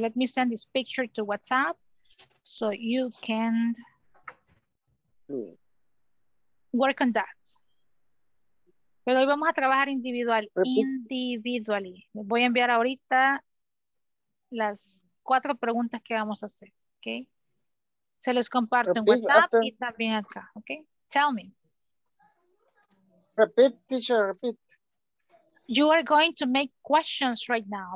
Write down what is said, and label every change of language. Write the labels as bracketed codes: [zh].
[en] Let me send this picture to WhatsApp so you can work on that. [es] Pero hoy vamos a trabajar individually. Les voy a enviar ahorita las 4 preguntas que vamos a hacer. Okay. Se los comparto en WhatsApp y también acá. [en] Okay. Tell me. Repeat, teacher, repeat. You are going to make questions right now.